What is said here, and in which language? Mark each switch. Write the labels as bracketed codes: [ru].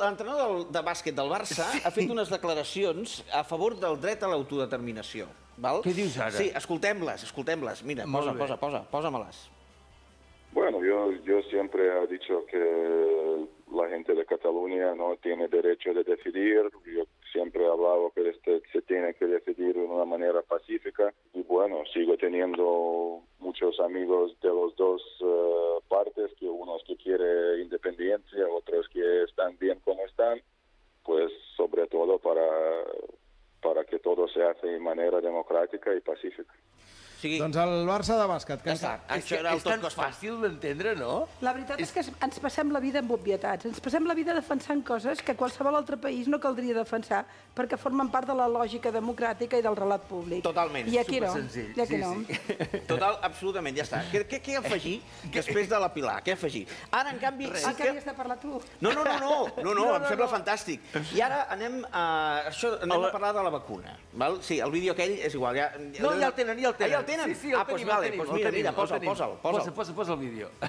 [ca] L'entrenador de bàsquet del Barça ha fet unes declaracions a favor del dret a l'autodeterminació. Val? Què dius ara? Sí, escoltem-les. Mira, posa-me-les. [es] Bueno, yo siempre he dicho que la gente de Cataluña no tiene derecho de decidir. Yo siempre he hablado que se tiene que decidir de una manera pacífica. Y bueno, sigo teniendo muchos amigos de las dos partes, que uno es que quiere independencia, otro es que están bien como están, pues sobre todo para que todo se hace de manera democrática y pacífica. Sí. [ca] Doncs el Barça de bàsquet. Que està, això era el tot cos fàcil d'entendre, no? La veritat és que ens passem la vida amb obvietats. Ens passem la vida defensant coses que qualsevol altre país no caldria defensar perquè formen part de la lògica democràtica i del relat públic. Totalment. I aquí supersenzill. No. I aquí sí, no. Sí. Total, absolutament, ja està. Què afegir després de la Pilar? Què afegir? Ara, en canvi... Res. Ah, que havies de parlar tu. No, em sembla fantàstic. I ara anem a... Això, anem a parlar de la vacuna. Val? Sí, el vídeo aquell és igual. Ja el tenen. Tenen? Sí, sí, el tenim, posa el vídeo.